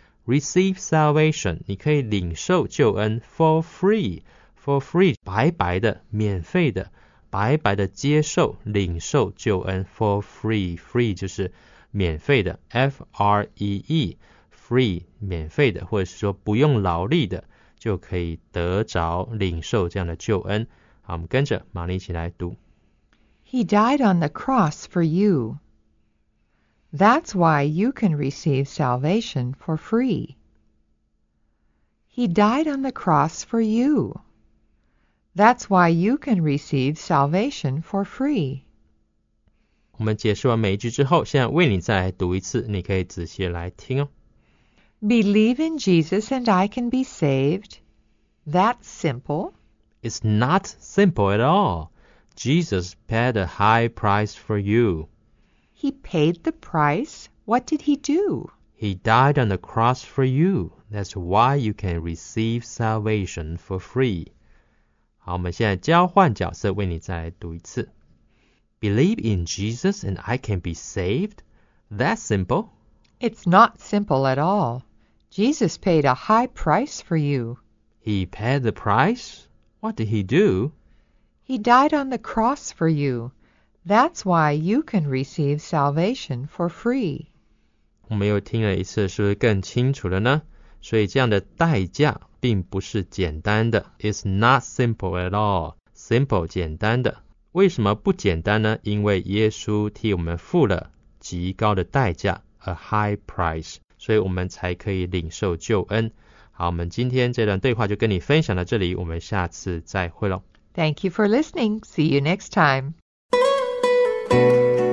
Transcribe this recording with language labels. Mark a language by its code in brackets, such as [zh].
[en] Receive salvation, [zh] 你可以领受救恩 [en] for free, [zh] 白白的免费的白白的接受领受救恩 for free, free 就是免费的 F-R-E-E, free, 免费的或者是说不用劳力的就可以得着领受这样的救恩好我们跟着玛丽一起来读 [en] He died on the cross for you. That's why you can receive salvation for free. He died on the cross for you. That's why you can receive salvation for free. [zh] 我们解释完每一句之后现在为你再来读一次你可以仔细来听哦 [en] Believe in Jesus and I can be saved. That's simple. It's not simple at all. Jesus paid a high price for you. He paid the price. What did he do? He died on the cross for you. That's why you can receive salvation for free. [zh] 好,我们现在交换角色为你再来读一次。 [en] Believe in Jesus and I can be saved? That's simple. It's not simple at all. Jesus paid a high price for you. He paid the price? What did he do? He died on the cross for you. That's why you can receive salvation for free. [zh] 我们又听了一次，是不是更清楚了呢？所以这样的代价并不是简单的。 [en] It's not simple at all. Simple, [zh] 简单的。为什么不简单呢？因为耶稣替我们付了极高的代价 , [en] a high price, [zh] 所以我们才可以领受救恩。好，我们今天这段对话就跟你分享到这里，我们下次再会咯。 [en] Thank you for listening. See you next time.